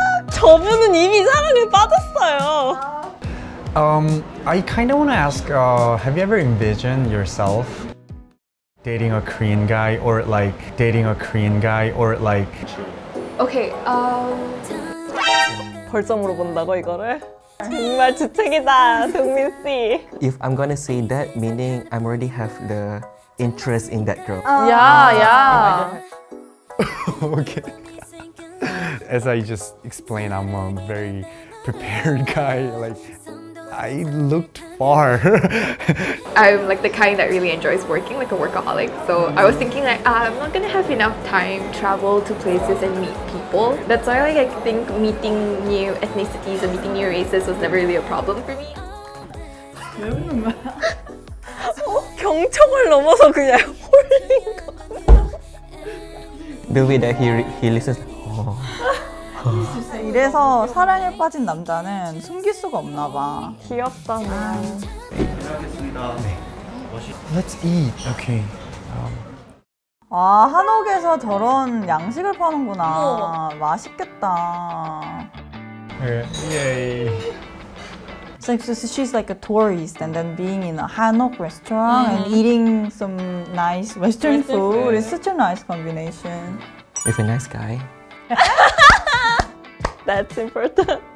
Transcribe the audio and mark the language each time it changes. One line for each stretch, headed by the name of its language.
Korean: 저분은 이미 사랑에 빠졌어요.
English: I kind of want to ask, have you ever envisioned yourself dating a Korean guy or like dating a Korean guy or like? Okay.
Korean: 벌써 물어본다고 이거를? 정말 주책이다, 동민 씨.
English: If I'm gonna say that, meaning I'm already have the interest in that girl. Yeah. Okay. As I just explained, I'm a very prepared guy. Like, I looked far. I'm like the kind that really enjoys working, like a workaholic. So I was thinking like, I'm not gonna have enough time to travel to places and meet people. That's why like, I think meeting new ethnicities or meeting new races was never really a problem for me.
Korean: 경청을 넘어서 그냥 홀린 거.
English: The way that he listens.
Korean: 이래서 사랑에 빠진 남자는 숨길 수가 없나 봐. 귀엽다. 하겠습니다.
English: Let's eat. Okay.
Korean: 아, 한옥에서 저런 양식을 파는구나. 맛있겠다.
English: Yay. So she's like a tourist and then being in a Hanok restaurant and eating some nice Western food is such a nice combination. With a nice guy. That's important.